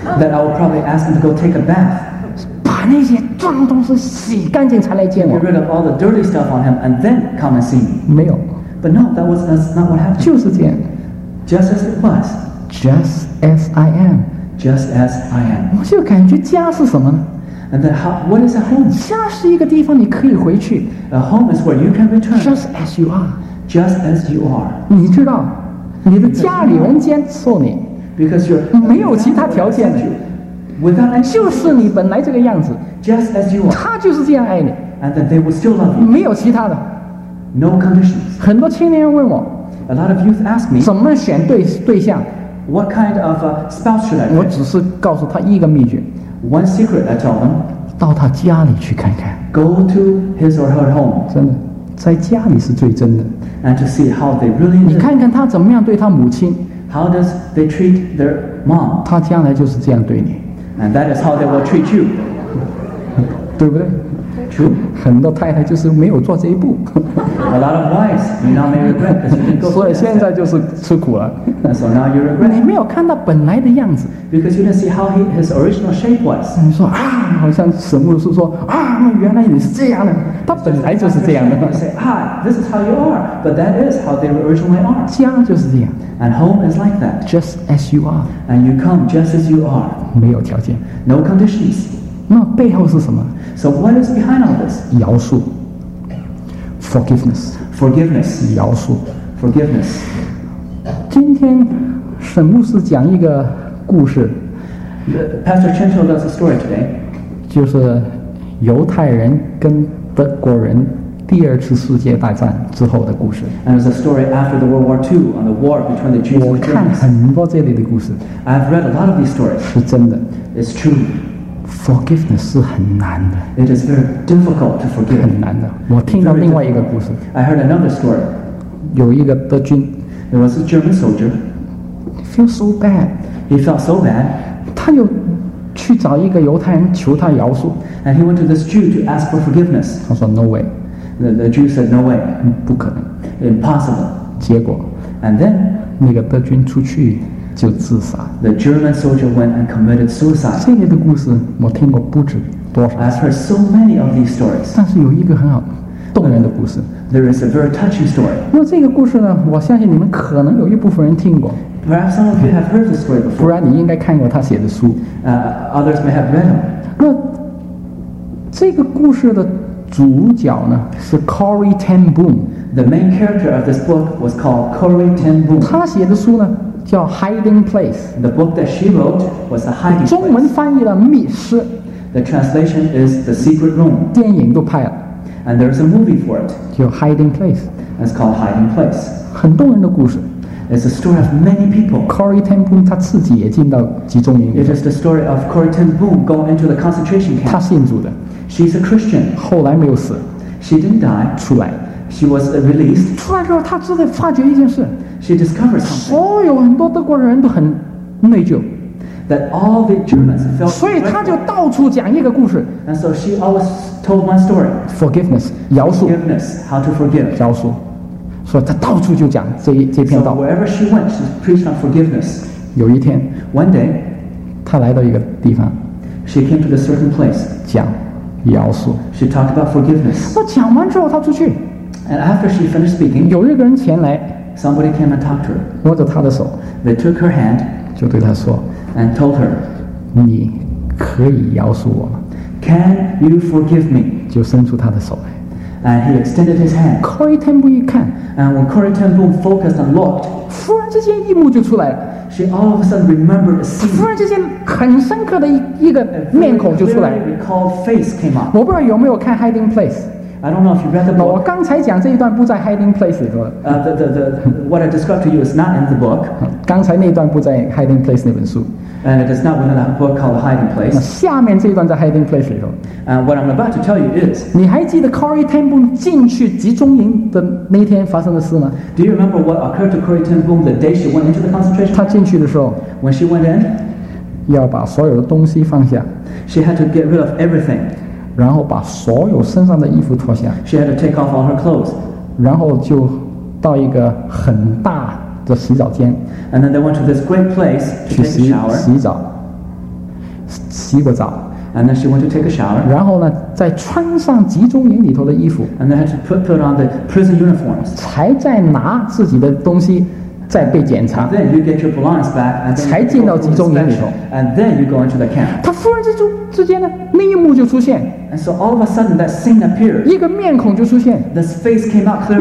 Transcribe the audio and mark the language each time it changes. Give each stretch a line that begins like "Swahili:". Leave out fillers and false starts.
English: Then I would probably ask him to go take a bath
Chinese: 把那些脏东西洗干净才来见我
English: Get rid of all the dirty stuff on him and then come and see me
Chinese: 没有
English: But no, that's not what happened
Chinese: 就是这样
English: Just as it was. Just as I am. Just as I am.
Chinese: 我就感觉家是什么呢
English: And then how, what is a home?
Chinese: 家是一个地方你可以回去
English: A home is where you can return. Just as you are. Just as you are.
Chinese: 你知道你的家里人接受你
English: Because you're
Chinese: 没有其他条件的就是你本来这个样子
English: just as you are.
Chinese: 他就是这样爱你
English: and that they will still love you.
Chinese: 没有其他的
English: no conditions.
Chinese: 很多青年人问我
English: a lot of youth ask me,
Chinese: 怎么选 对象
English: what kind of spouse should I pick?
Chinese: 我只是告诉他一个秘诀
English: one secret I tell them,
Chinese: 到他家里去看看
English: go to his or her home.
Chinese: 真的在家里是最真的
English: and to see how they really
Chinese: 你看看他怎么样对他母亲
English: how does they treat their mom?
Chinese: 他将来就是这样对你
English: and that is how they will treat you
Chinese: 对不对
English: true
Chinese: 很多太太就是没有做这一步
English: a lot of wives you now may regret because you
Chinese: 所以现在就是吃苦了
English: and so now you regret
Chinese: 你没有看到本来的样子
English: because you didn't see how his original shape was
Chinese: 你说啊好像神牧师说啊原来你是这样的他本来就是这样的
English: you say, ah, this is how you are but that is how they originally are
Chinese: 家就是这样
English: and home is like that just as you are and you come just as you are
Chinese: 没有条件
English: no conditions
Chinese: 那背后是什么
English: so what is behind all this
Chinese: 饶恕 forgiveness
English: forgiveness
Chinese: 饶恕
English: forgiveness
Chinese: 今天沈牧师讲一个故事
English: Pastor Chen told us a story today
Chinese: 就是犹太人跟德国人第二次世界大战之后的故事
English: and it's a story after the World War II on the war between the Jews and the Germans
Chinese: 我看很多这里的故事
English: I've read a lot of these stories
Chinese: 是真的
English: it's true
Chinese: forgiveness 是很难的
English: it is very difficult to forgive
Chinese: 很难的我听到另外一个故事
English: I heard another story
Chinese: 有一个德军
English: there was a German soldier feel so bad he felt so bad
Chinese: 他有去找一个犹太人求他饶恕
English: and he went to this Jew to ask for forgiveness
Chinese: 他说
English: no way the Jew said no way
Chinese: 不可能
English: impossible
Chinese: 结果
English: and then
Chinese: 那个德军出去就自杀
English: the German soldier went and committed suicide
Chinese: 这里的故事我听过不止多少
English: I've heard so many of these stories
Chinese: 但是有一个很好动人的故事
English: there is a very touching story
Chinese: 那这个故事呢我相信你们可能有一部分人听过
English: Perhaps some of you have heard the story before.
Chinese: 不然你应该看过他写的书。
English: Others may have read him.
Chinese: 那这个故事的主角呢是 Corrie Ten Boom.
English: The main character of this book was called Corrie Ten Boom.
Chinese: 他写的书呢叫 Hiding Place.
English: The book that she wrote was The Hiding Place.
Chinese: 中文翻译了密室。
English: The translation is The Secret Room.
Chinese: 电影都拍了。
English: And there's a movie for it.
Chinese: 叫 Hiding Place.
English: It's called Hiding Place.
Chinese: 很动人的故事。
English: It's the story of many people.
Chinese: Corrie Ten Boom, 他自己也进到集中营。
English: It is the story of Corrie Ten Boom going into the concentration camp.
Chinese: 他信主的。
English: She's a Christian.
Chinese: 后来没有死。
English: She didn't die.
Chinese: 出来。
English: She was released.
Chinese: 出来之后，他自己发觉一件事。
English: She discovered something.
Chinese: 所有很多德国人都很内疚。
English: That all the Germans felt.
Chinese: 所以他就到处讲一个故事。
English: And so she always told one story.
Chinese: Forgiveness. 饶恕。
English: Forgiveness. How to forgive.
Chinese: 饶恕。所以他到处就讲这篇道。
English: So wherever she went, she preached on forgiveness.
Chinese: 有一天
English: ，one day，
Chinese: 他来到一个地方
English: ，she came to a certain place.
Chinese: 讲饶恕。
English: She talked about forgiveness.
Chinese: 那讲完之后，他出去。
English: And after she finished speaking,
Chinese: 有一个人前来
English: ，somebody came and talked to her.
Chinese: 握着她的手
English: ，they took her hand.
Chinese: 就对她说
English: ，and told her，
Chinese: 你可以饶恕我吗
English: ？Can you forgive me？
Chinese: 就伸出她的手来。
English: And he extended his hand.
Chinese: Corrie Ten Boom 一看
English: ，and when Corrie Ten Boom focused and looked,
Chinese: 忽然之间一幕就出来了。
English: She all of a sudden remembered a scene.
Chinese: 忽然之间很深刻的一个面孔就出来。
English: A very clearly recalled face came up.
Chinese: 我不知道有没有看 Hiding Place.
English: I don't know if you read the book.
Chinese: 我刚才讲这一段不在 Hiding Place 里头。
English: The what I described to you is not in the book.
Chinese: 刚才那段不在 Hiding Place 那本书。
English: And it is not within that book called The Hiding Place.
Chinese: 下面这一段在 Hiding Place 里头。
English: And what I'm about to tell you is,
Chinese: 你还记得 Corrie Ten Boom 进去集中营的那天发生的事吗
English: ？Do you remember what occurred to Corrie Ten Boom the day she went into the concentration?
Chinese: 她进去的时候
English: ，when she went in,
Chinese: 要把所有的东西放下。
English: She had to get rid of everything.
Chinese: 然后把所有身上的衣服脱下。
English: She had to take off all her clothes.
Chinese: 然后就到一个很大。的洗澡间
English: and then they went to this great place to take a shower
Chinese: 洗澡洗个澡
English: and then she went to take a shower
Chinese: 然后呢再穿上集中营里头的衣服
English: and then had to put on the prison uniforms
Chinese: 才再拿自己的东西再被检查
English: then you get your belongings back and then
Chinese: 才进到集中营里头
English: and then you go into the camp
Chinese: 他忽然之间呢那一幕就出现
English: and so all of a sudden that scene appeared
Chinese: 一个面孔就出现
English: this face came out clearly